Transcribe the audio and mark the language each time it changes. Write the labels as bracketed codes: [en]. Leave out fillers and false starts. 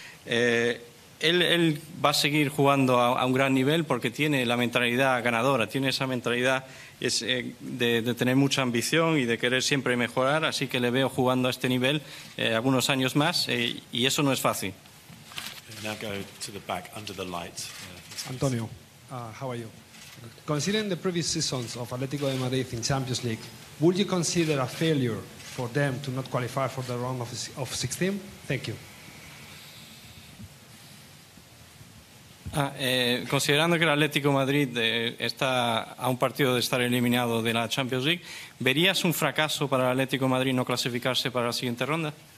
[es] Él va a seguir jugando a un gran nivel porque tiene la mentalidad ganadora, tiene esa mentalidad de tener mucha ambición y de querer siempre mejorar, así que le veo jugando a este nivel algunos años más, y eso no es fácil. [en] Now go to the back under the light. Antonio, how are you? Considering the previous seasons of Atletico de Madrid in Champions League, would you consider a failure for them to not qualify for the round of 16? Thank you. [es] Considerando que el Atlético de Madrid está a un partido de estar eliminado de la Champions League, ¿verías un fracaso para el Atlético de Madrid no clasificarse para la siguiente ronda?